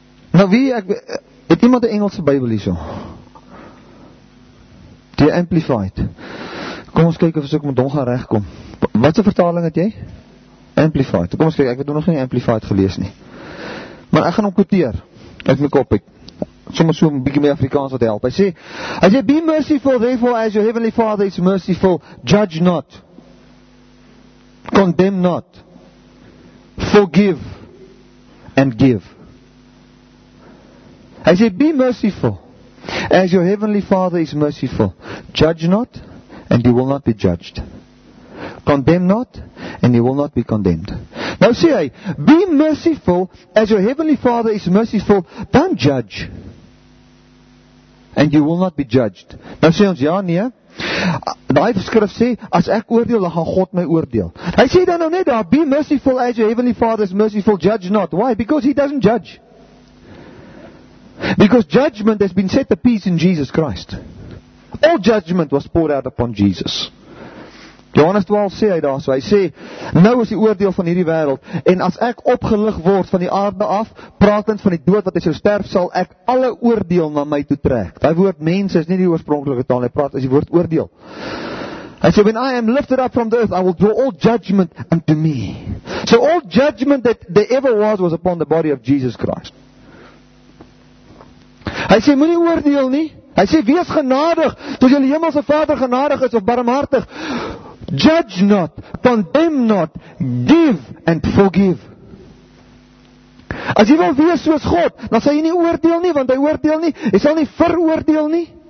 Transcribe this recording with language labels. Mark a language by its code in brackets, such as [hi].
[af] Nou wie, ek, het iemand die Engelse Bybel hier so? The Amplified. Kom ons kyk of ons ook met hom gaan regkom. Wat se vertaling het jy? Amplified. Kom ons kyk, ek het nog nie Amplified gelees nie. Maar ek gaan hom quoteer uit my kop uit. Sommers so 'n bietjie meer Afrikaans wat help. Hy sê, as jy [en] be merciful, therefore as your heavenly father is merciful, judge not, condemn not, forgive and give. [af] Hy sê, [en] be merciful, as your heavenly father is merciful, judge not, and you will not be judged. Condemn not, and you will not be condemned. [af] Nou sê hy, [en] be merciful, as your heavenly father is merciful, don't judge, and you will not be judged. [af] Nou sê ons, ja, nee, die skrif sê, as ek oordeel, dan gaan God my oordeel. Hy sê dan nou net daar, [en] be merciful as your heavenly father is merciful, judge not. Why? Because he doesn't judge. Because judgment has been set to peace in Jesus Christ. All judgment was poured out upon Jesus. [af] Johannes 12 sê hy daar so, hy sê, nou is die oordeel van hierdie wêreld, en as ek opgelig word van die aarde af, pratend van die dood wat hy sou sterf, sal ek alle oordeel na my toe trek. Die woord mens is nie die oorspronkelijke taal, hy praat, is die woord oordeel. Hy sê, [en] when I am lifted up from the earth, I will draw all judgment unto me. So all judgment that there ever was upon the body of Jesus Christ. [af] Hy sê, moenie oordeel nie. Hy sê, wees genadig, toe julle hemelse vader genadig is of barmhartig. [en] Judge not, condemn not, give and forgive. [af] As jy wil wees soos God, dan sal jy nie oordeel nie, want hy oordeel nie, hy sal nie veroordeel nie.